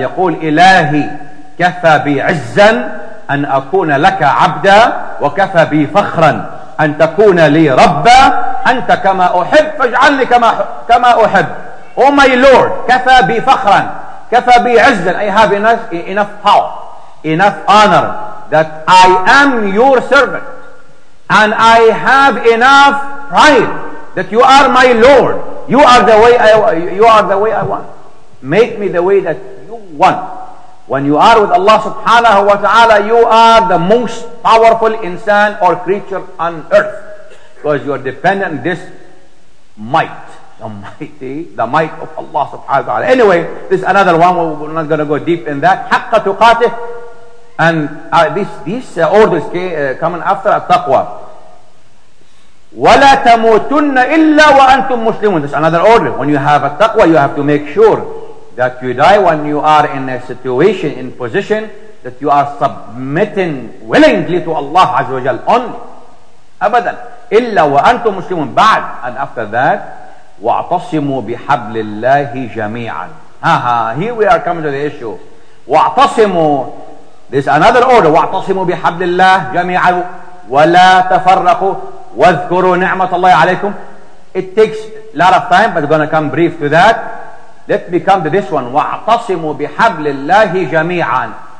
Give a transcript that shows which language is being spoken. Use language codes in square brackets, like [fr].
[ar] يقول إلهي كفى بي عزا أن أكون لك عبدا وكفى بي فخرا أن تكون لي ربا أنت كما أحب فاجعلني كما أحب. [en] Oh my Lord, [ar] كفى بي فخرا. كفى بي عزا. [en] I have enough power, enough honor that I am your servant. And I have enough pride that you are my Lord. You are the way I want. Make me the way that you want. When you are with Allah subhanahu wa ta'ala, you are the most powerful insan or creature on earth. Because you are dependent on this might. The might of Allah subhanahu wa ta'ala. Anyway, this is another one. We're not going to go deep in that. [ar] حَقَّ تُقَاتِهُ. [en] And these orders coming after at-taqwa. [ar] وَلَا تَمُوتُنَّ إِلَّا وَأَنْتُمْ مُسْلِمُونَ. [en] That's another order. When you have at-taqwa, you have to make sure that you die when you are in a situation, in position, that you are submitting willingly to Allah Azza wa Jal only. [ar] أَبَدًا. إِلَّا وَأَنْتُمْ مُسْلِمُونَ. بعد. [en] And after that, [ar] وَاعْتَصِمُوا بِحَبْلِ اللَّهِ جَمِيعًا. [en] Here we are coming to the issue. [ar] وَاعْتَصِمُوا. [en] This is another order. [ar] وَاعْتَصِمُوا بِحَبْلِ اللَّهِ جَمِيعًا وَلَا تَفَرَّقُوا وَاذْكُرُوا نِعْمَةَ اللَّهِ عَلَيْكُمْ. [en] It takes a lot of time, but we're going to come brief to that. Let me come to this one. [ar] وَاعْتَصِمُوا بِحَبْلِ اللَّهِ جَمِيعًا.